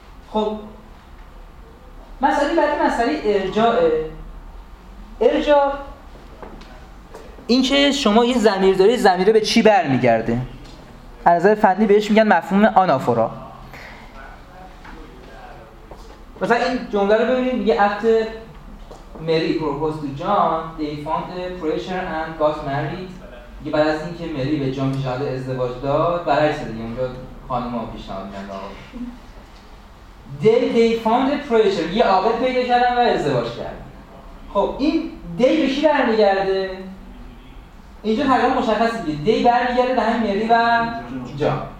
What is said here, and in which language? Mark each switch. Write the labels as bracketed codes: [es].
[fa] خب مسئله بعدی مسئله ارجاعه. ارجاع این که شما یه ضمیر داری، ضمیره به چی برمیگرده؟ از نظر فنی بهش میگن مفهوم آنافورا. مثلا این جمله رو ببینید، میگه [en] after Mary proposed to John they found a pressure and got married. [fa] میگه بعد از اینکه مری به جان پیشنهاد ازدواج داد، برعکس دیگه اونجا خانم ها پیشنهاد کردن آقا، [en] they found a pressure، [fa] یه عابد پیدا کردن و ازدواج کردن. خب این دی به چی برمیگرده؟ اینجا تقریبا مشخصه که دی برمیگرده به هم مری و جان.